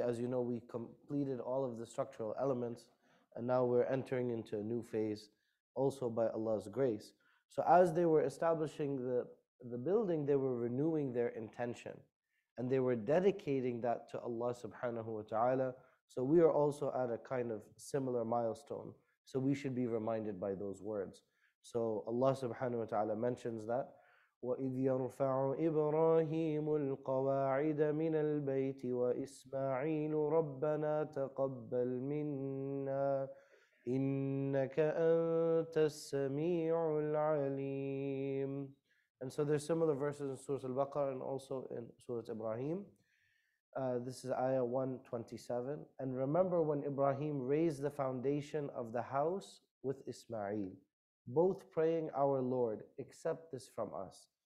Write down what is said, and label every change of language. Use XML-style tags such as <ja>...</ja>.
<en>As you know, we completed all of the structural elements, and now we're entering into a new phase also by Allah's grace. So as they were establishing the building, they were renewing their intention, and they were dedicating that to Allah subhanahu wa ta'ala. So we are also at a kind of similar milestone. So we should be reminded by those words. So Allah subhanahu wa ta'ala mentions that,</en> <ar>وَإِذْ يَرْفَعُ إِبْرَاهِيمُ الْقَوَاعِدَ مِنَ الْبَيْتِ وَإِسْمَاعِيلُ رَبَّنَا تَقَبَّلْ مِنَّا إِنَّكَ أَنْتَ السَّمِيعُ الْعَلِيمُ.</ar> <en>And so there's similar verses in Surah Al-Baqarah and also in Surah Ibrahim. This is Ayah 127. And remember when Ibrahim raised the foundation of the house with Ismail, both praying, "Our Lord, accept this from us.</en>